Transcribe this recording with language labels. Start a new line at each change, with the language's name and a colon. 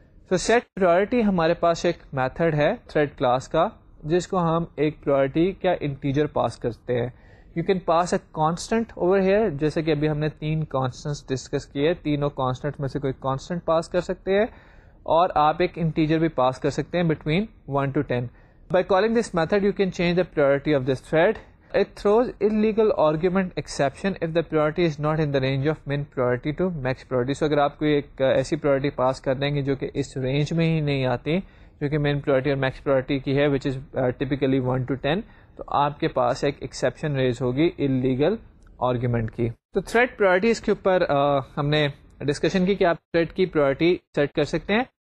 Urdu: سو set priority ہمارے پاس ایک method ہے تھریڈ کلاس کا جس کو ہم ایک پرائیورٹی کیا انٹیجر پاس کرتے ہیں.
English: you can pass a constant over here,
Urdu: جیسے کہ ابھی ہم نے 3 کانسٹنٹس ڈسکس کیے, تینوں کانسٹنٹ میں سے کوئی کانسٹنٹ پاس کر سکتے ہیں, اور آپ ایک انٹیجر بھی پاس کر سکتے ہیں between 1 to 10.
English: By calling this method you can change the priority of this thread. It throws illegal argument exception if the priority is not in the range of min priority to max priority.
Urdu: So, اگر آپ کو ایک ایسی priority پاس کر دیں گے جو کہ اس رینج میں ہی نہیں آتی جو کہ مین پرائرٹی اور میکس پرائرٹی کی ہے,
English: which is typically 1 to 10,
Urdu: تو آپ کے پاس ایک ایکسیپشن ریز ہوگی illegal argument کی. تو تھریڈ پرائرٹیز کے اوپر ہم نے ڈسکشن کی کہ آپ تھریڈ کی پرائرٹی سیٹ کر سکتے ہیں.